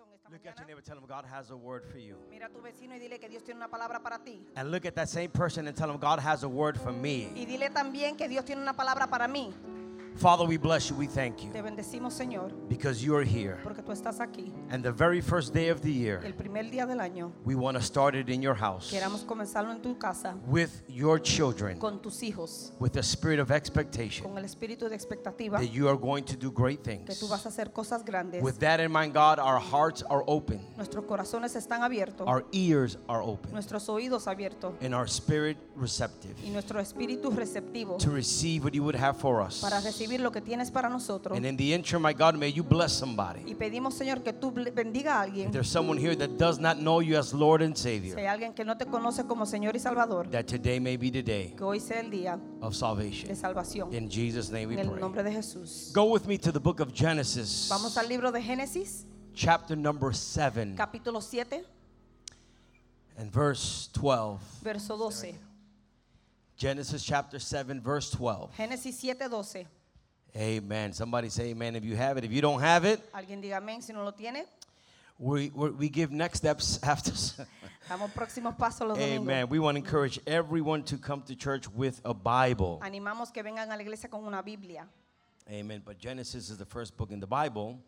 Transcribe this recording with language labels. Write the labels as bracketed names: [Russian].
[English] Look at your neighbor, tell him God has a word for you. [Spanish] Mira a tu vecino y dile que Dios tiene una palabra para ti. [English] And look at that same person and tell him God has a word for me. [Spanish] Y dile también que Dios tiene una palabra para mí. [English] Father, we bless you. We thank you. [Spanish] Te bendecimos, Señor. [English] Because you are here. [Spanish] Porque tú estás aquí. [English] And the very first day of the year, [Spanish] el primer día del año, [English] we want to start it in your house. [Spanish] Queremos comenzarlo en tu casa. [English] With your children. [Spanish] Con tus hijos. [English] With a spirit of expectation. [Spanish] Con el espíritu de expectativa. [English] That you are going to do great things. [Spanish] Que tú vas a hacer cosas grandes. [English] With that in mind, God, our hearts are open. [Spanish] Nuestros corazones están abiertos. [English] Our ears are open. [Spanish] Nuestros oídos abiertos. [English] And our spirit receptive. [Spanish] Y nuestro espíritu receptivo. [English] To receive what you would have for us. [Spanish] Para recibir lo que tienes para nosotros. [English] And in the interim, my God, may you bless somebody. [Spanish] Y pedimos, Señor, que tú bendiga a alguien. [English] If there's someone here that does not know you as Lord and Savior, [Spanish] si hay alguien que no te conoce como Señor y Salvador, [English] that today may be the day, [Spanish] que hoy sea el día [English] of salvation. [Spanish] De salvación. [English] In Jesus' name we pray. [Spanish] En el nombre de Jesús. [English] Go with me to the book of Genesis. [Spanish] Vamos al libro de Génesis. [English] Chapter number 7. [Spanish] Capítulo 7. [English] And verse 12. [Spanish] Verso 12. [English] Genesis chapter 7, verse 12. [Spanish] Génesis 7, 12. [English] Amen. Somebody say amen if you have it. If you don't have it, [Spanish] alguien diga amen si no lo tiene. [English] We give next steps after. [Spanish] Damos próximos pasos los domingos. [English] Amen. We want to encourage everyone to come to church with a Bible. [Spanish] Animamos que vengan a la iglesia con una Biblia. [English] Amen. But Genesis is the first book in the Bible.